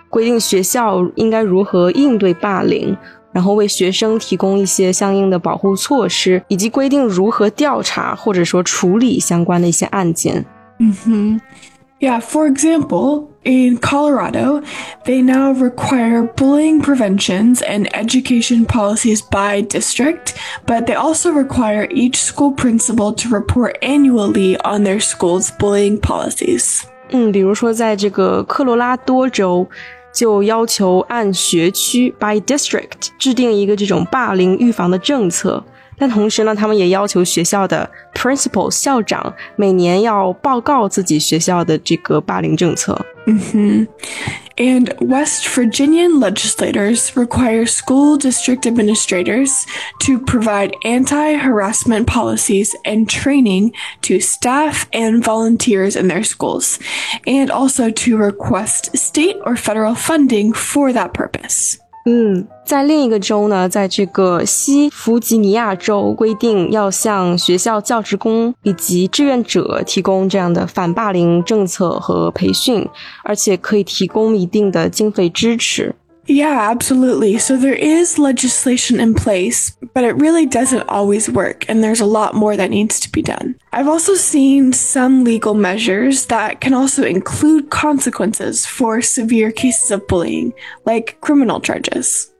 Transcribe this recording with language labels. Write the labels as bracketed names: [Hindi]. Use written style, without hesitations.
[Chinese] 规定学校应该如何应对霸凌，然后为学生提供一些相应的保护措施，以及规定如何调查或者说处理相关的一些案件。 Mm-hmm. [English] Yeah, for example, in Colorado, they now require bullying preventions and education policies by district, but they also require each school principal to report annually on their school's bullying policies. [Chinese] 比如说在这个科罗拉多州就要求按学区 [English] by district [Chinese] 制定一个这种霸凌预防的政策，但同时呢他们也要求学校的 principal 校长每年要报告自己学校的这个霸凌政策。 Mm-hmm. [English] And West Virginian legislators require school district administrators to provide anti-harassment policies and training to staff and volunteers in their schools, and also to request state or federal funding for that purpose. [Chinese] 在另一个州呢，在这个西弗吉尼亚州规定要向学校教职工以及志愿者提供这样的反霸凌政策和培训，而且可以提供一定的经费支持。 [English] Yeah, absolutely. So there is legislation in place, but it really doesn't always work, and there's a lot more that needs to be done. I've also seen some legal measures that can also include consequences for severe cases of bullying, like criminal charges.